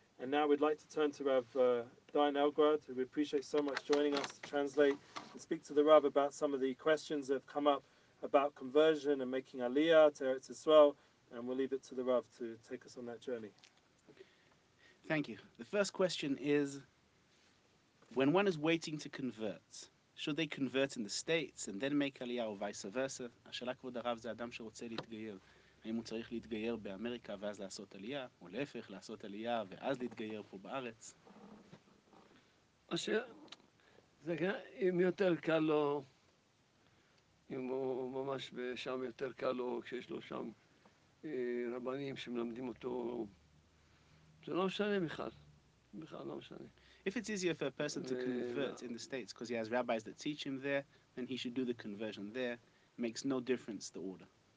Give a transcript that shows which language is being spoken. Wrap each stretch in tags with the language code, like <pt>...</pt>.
<en>And now we'd like to turn to Rav Dayan Elgrad, who we appreciate so much joining us to translate and speak to the Rav about some of the questions that have come up about conversion and making Aliyah to Eretz Yisrael. And we'll leave it to the Rav to take us on that journey. Thank you. The first question is, when one is waiting to convert, should they convert in the States and then make Aliyah or vice versa?</en> <he>Ashala kvod Rav ze adam sherotze litgayer. האם הוא צריך להתגייר באמריקה ואז לעשות עלייה, או להפך, לעשות עלייה ואז להתגייר פה בארץ? אשר, זה כן, אם יותר קל לו, אם הוא ממש שם יותר קל לו, כשיש לו שם רבנים שמלמדים אותו, זה לא משנה בכלל, בכלל לא משנה.</he> <en>If it's easier for a person to convert in the States, because he has rabbis that teach him there, then he should do the conversion there, makes no difference the order.</en>